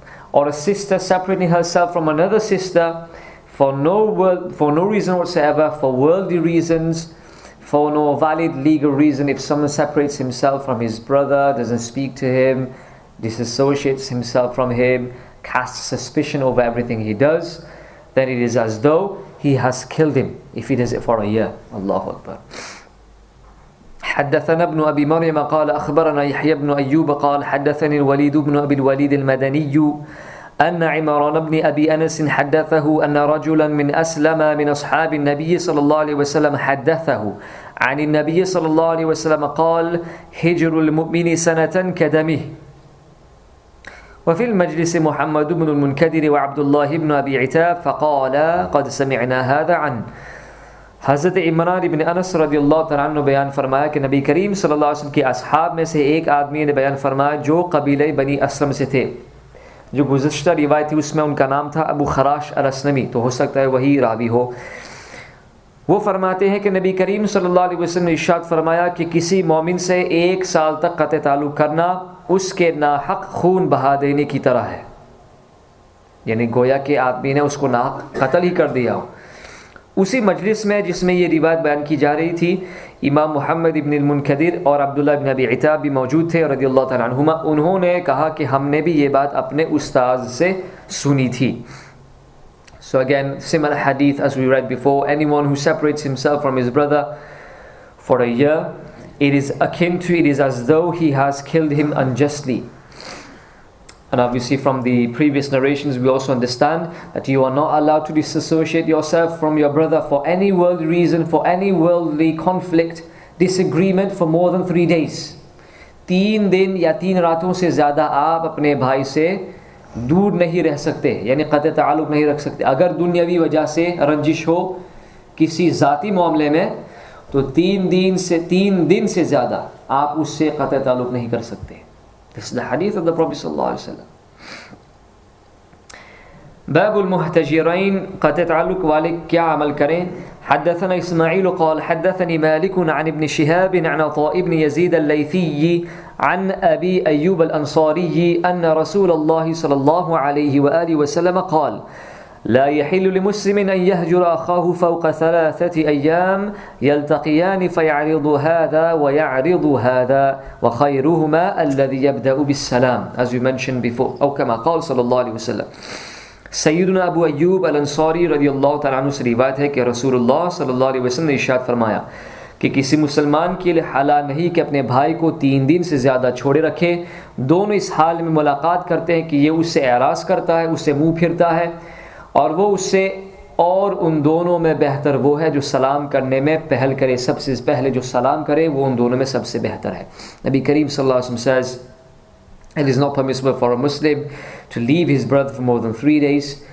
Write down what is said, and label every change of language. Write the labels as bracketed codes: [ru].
[en] Or a sister separating herself from another sister for no reason whatsoever, for worldly reasons, for no valid legal reason. If someone separates himself from his brother, doesn't speak to him, disassociates himself from him, casts suspicion over everything he does, then it is as though he has killed him if he does it for a year. Allahu Akbar. [ar] حدثنا ابن أبي مريم قال أخبرنا يحيى بن أيوب قال حدثني الوليد بن أبي الوليد المدني أن عمران بن أبي أنس حدثه أن رجلا من أسلم من أصحاب النبي صلى الله عليه وسلم حدثه عن النبي صلى الله عليه وسلم قال هجر المؤمن سنة كدمه. وفي المجلس محمد بن المنكدر وعبد الله بن أبي عتاب فقال قد سمعنا هذا عن [ur] حضرت عمران ابن انس رضی اللہ تعالیٰ عنہ بیان فرمایا کہ نبی کریم صلی اللہ علیہ وسلم کے اصحاب میں سے ایک آدمی نے بیان فرمایا جو قبیلہ بنی اسلم سے تھے, جو گزشتہ روایت تھی اس میں ان کا نام تھا ابو خراش الاسلمی, تو ہو سکتا ہے وہی راوی ہو. وہ فرماتے ہیں کہ نبی کریم صلی اللہ علیہ وسلم نے ارشاد فرمایا کہ کسی مومن سے ایک سال تک قطع تعلق کرنا اس کے ناحق خون بہا دینے کی طرح ہے, یعنی گویا کہ آدمی نے اس کو ناحق قتل ہی کر دیا ہو. اسی مجلس میں جس میں یہ روایت بیان کی جا رہی تھی, امام محمد ابن المنکدر اور عبداللہ ابن ابی عتاب بھی موجود تھے رضی اللہ تعالیٰ عنہما. انہوں نے کہا کہ ہم نے بھی یہ بات اپنے استاذ سے سنی تھی. [en] So again, similar hadith as we read before, anyone who separates himself from his brother for a year, it is as though he has killed him unjustly. And obviously from the previous narrations, we also understand that you are not allowed to disassociate yourself from your brother for any worldly reason, for any worldly conflict, disagreement for more than 3 days. [ur] 3 din ya 3 raaton se zyada aap apne bhai se دور نہیں رہ سکتے, یعنی قطع تعلق نہیں رکھ سکتے. اگر دنیاوی وجہ سے رنجش ہو کسی ذاتی معاملے میں تو 3 دن سے زیادہ آپ اس سے قطع تعلق نہیں کر سکتے. [en] This is the hadith of the Prophet صلی اللہ علیہ وسلم. [ur] باب المحتجرین, قطع تعلق والے کیا عمل کریں. [ar] حدثنا اسماعیل قال حدثني مالک عن ابن شہاب عن طاء ابن یزید اللیثی عن أبي أيوب الأنصاري أن رسول الله صلى الله عليه وآله وسلم قال لا يحل لمسلم أن يهجر أخاه فوق 3 أيام يلتقيان فيعرض هذا ويعرض هذا وخيرهما الذي يبدأ بالسلام. [en] As we mentioned before, [ar] أو كما قال صلى الله عليه وسلم, [ur] سيدنا أبو أيوب الأنصاري رضي الله تعالى عنه روایت ہے کہ رسول الله صلى الله عليه وسلم نے ارشاد فرمایا کہ کسی مسلمان کے لیے حلال نہیں کہ اپنے بھائی کو 3 دن سے زیادہ چھوڑے رکھے. دونوں اس حال میں ملاقات کرتے ہیں کہ یہ اس سے اعراض کرتا ہے, اس سے منہ پھرتا ہے, اور وہ اس سے اور ان دونوں میں بہتر وہ ہے جو سلام کرنے میں پہل کرے, سب سے پہلے جو سلام کرے وہ ان دونوں میں سب سے بہتر ہے. [en] نبی کریم صلی اللہ علیہ وسلم says it is not permissible for a Muslim to leave his brother for more than 3 days.